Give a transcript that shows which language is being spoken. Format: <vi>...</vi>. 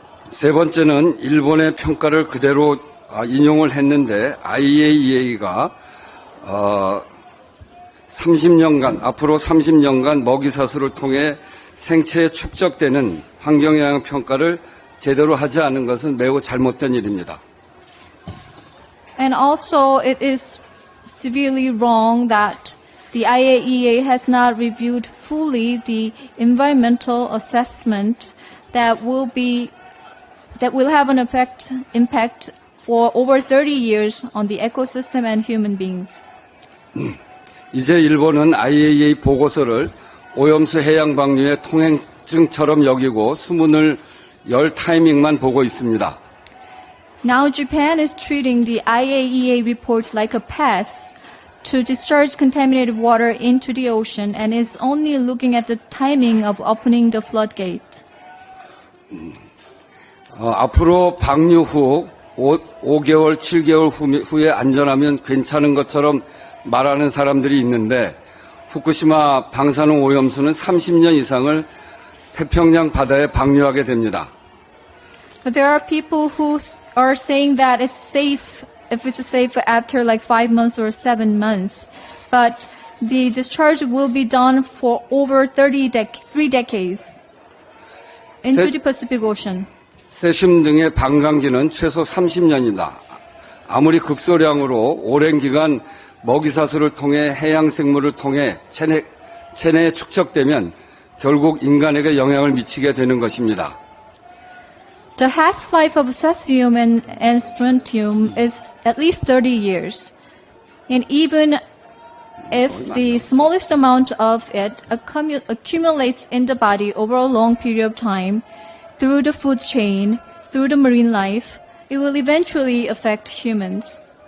<ko>세 번째는 일본의 평가를 그대로 인용을 했는데 IAEA가 30년간 앞으로 30년간 먹이사슬을 통해 생체에 축적되는 환경영향 평가를 제대로 하지 않은 것은 매우 잘못된 일입니다.</ko> <en>And also it is severely wrong that the IAEA has not reviewed fully the environmental assessment that will have an impact for over 30 years on the ecosystem and human beings.</en> <ko>이제 일본은 IAEA 보고서를 오염수 해양 방류의 통행증처럼 여기고 수문을 열 타이밍만 보고 있습니다.</ko> <en>Now Japan is treating the IAEA report like a pass to discharge contaminated water into the ocean and is only looking at the timing of opening the floodgate.</en> <ko>앞으로 방류 후 5개월, 7개월 후에 안전하면 괜찮은 것처럼 말하는 사람들이 있는데 후쿠시마 방사능 오염수는 30년 이상을 태평양 바다에 방류하게 됩니다.</ko> <en>But there are people who are saying that it's safe if it's safe after like 5 months or 7 months. But the discharge will be done for over 3 decades into the Pacific Ocean.</en> <ko>세슘 등의 방광기는 최소 30년이다. 아무리 극소량으로 오랜 기간 먹이사슬을 통해 해양생물을 통해 체내에 축적되면 결국 인간에게 영향을 미치게 되는 것입니다.</ko> <en>The half-life of cesium and strontium is at least 30 years. And even if the smallest amount of it accumulates in the body over a long period of time, through the food chain, through the marine life, it will eventually affect humans.</en>